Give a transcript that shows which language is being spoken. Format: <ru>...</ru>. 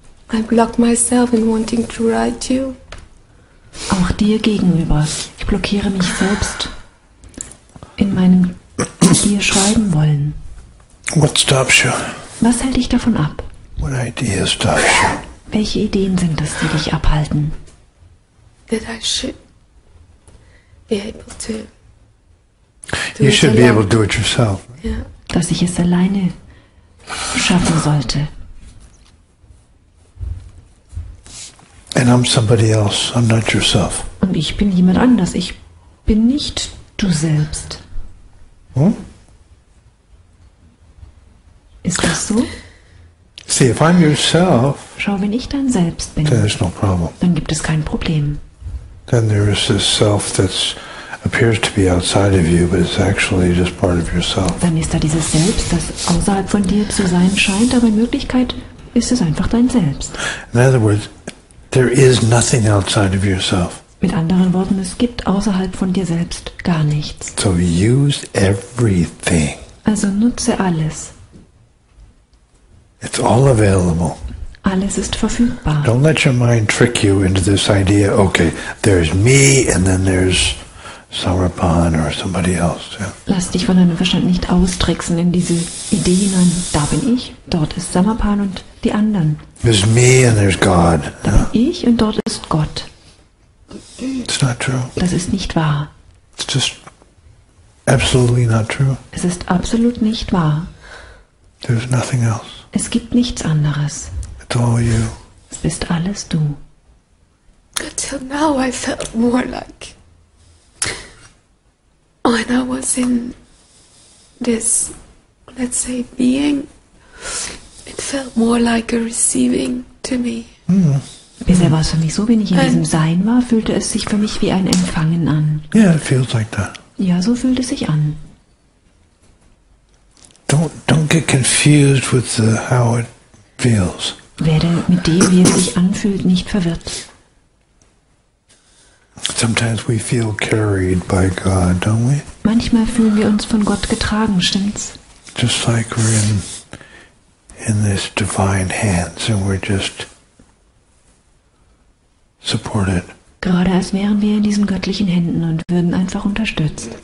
<en>I block myself in wanting to write you.</en> <de>Auch dir gegenüber. Ich blockiere mich selbst in meinem dir schreiben wollen.</de> <en>What stops you?</en> <de>Was hält dich davon ab?</de> <en>What ideas stop you?</en> <de>Welche Ideen sind es, die dich abhalten?</de> <en>That I should be able to. You should be able to do it yourself. Yeah.</en> <de>Dass ich es alleine schaffen sollte.</de> <en>And I'm somebody else. I'm not yourself.</en> <de>Und ich bin jemand anders. Ich bin nicht du selbst. Hm? Ist das so?</de> <en>See, if I'm yourself,</en> <de>schau, wenn ich dann selbst bin,</de> <en>then there's no problem.</en> <de>Dann gibt es kein Problem.</de> <en>Then there is this self that appears to be outside of you, but it's actually just part of yourself.</en> <de>Dann ist da dieses Selbst, das außerhalb von dir zu sein scheint, aber in Wirklichkeit ist es einfach dein Selbst.</de> <en>In other words, there is nothing outside of yourself.</en> <de>Mit anderen Worten, es gibt außerhalb von dir selbst gar nichts.</de> <en>So use everything.</en> <de>Also nutze alles.</de> <en>It's all available.</en> <de>Alles ist verfügbar.</de> <en>Don't let your mind trick you into this idea, okay, there's me and then there's Sarapan or somebody else. Yeah.</en> <de>Lass dich von deinem Verstand nicht austricksen in diese Idee hinein. Da bin ich, dort ist Sarapan und die anderen.</de> <en>There's me and there's God.</en> <de>Da bin ich und dort ist Gott.</de> <en>It's not true.</en> <de>Das ist nicht wahr.</de> <en>It's just absolutely not true.</en> <de>Es ist absolut nicht wahr.</de> <en>There's nothing else.</en> <de>Es gibt nichts anderes.</de> <en>It's all you.</en> <de>Es bist alles du.</de> <en>Until now I felt more like when I was in this, let's say, being, it felt more like a receiving to me.</en> <de>Bisher war es für mich so, wenn ich in diesem Sein war, fühlte es sich für mich wie ein Empfangen an.</de> <en>Yeah, it feels like that.</en> <de>Ja, so fühlt es sich an.</de> <en>Don't get confused with the, how it feels.</en> <de>Werde mit dem, wie es sich anfühlt, nicht verwirrt.</de> <en>Sometimes we feel carried by God, don't we?</en> <de>Manchmal fühlen wir uns von Gott getragen, stimmt's?</de> <en>Just like we're in this divine hands and we're just supported.</en> <de>Gerade als wären wir in diesen göttlichen Händen und würden einfach unterstützt.</de>